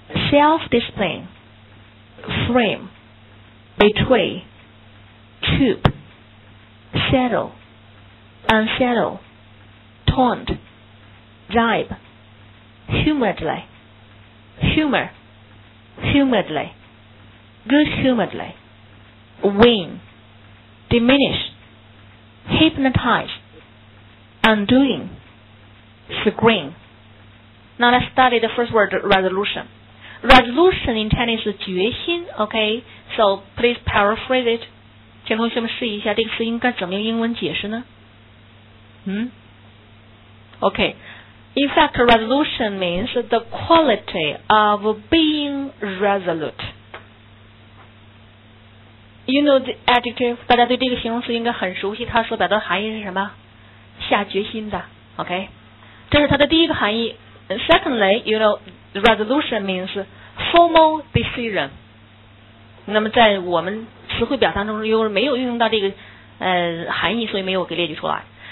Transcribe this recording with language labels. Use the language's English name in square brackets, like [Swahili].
[English] self-discipline, frame, betray, troop, settle, unsettle, taunt, jibe, humoredly, humor, humoredly,good-humoredly, win, diminish, hypnotize, undoing, screen. Now let's study the first word, resolution. Resolution in Chinese is 决心, okay? So please paraphrase it. [Chinese] 请同学们试一下这个词应该怎么用英文解释呢? Okay. [English] In fact, resolution means the quality of being resolute. You know the adjective? [Chinese] 大家对这个形容词应该很熟悉，它所表达的含义是什么？下决心的 ，OK? 这是它的第一个含义。 [English] Secondly, you know, resolution means formal decision. [Chinese] 那么在我们词汇表达中又没有运用到这个含义，所以没有给列举出来。